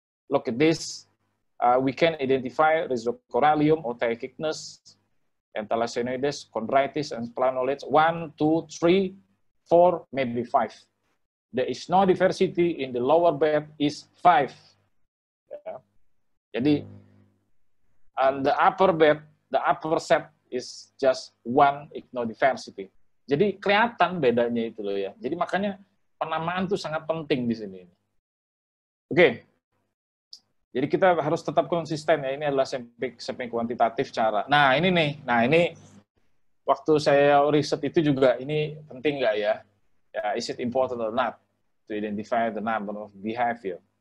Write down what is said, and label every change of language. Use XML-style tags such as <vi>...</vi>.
<en>Look at this. We can identify Rhizocorallium or Tachycnus and Thalassoenoides, Chondrites, and Planolites, 1, 2, 3, 4, maybe 5. There is no diversity in the lower bed is 5. Yeah. Jadi, and the upper bed, the upper set is just 1 ecnodiversity.</en> <id>Jadi, kelihatan bedanya itu loh ya. Jadi, makanya penamaan itu sangat penting di sini. Oke. Okay. Jadi kita harus tetap konsisten ya, ini adalah semping kuantitatif cara. Nah ini nih, waktu saya riset itu juga, ini penting nggak ya?</id> <en>Ya, is it important or not to identify the number of behavior?</en>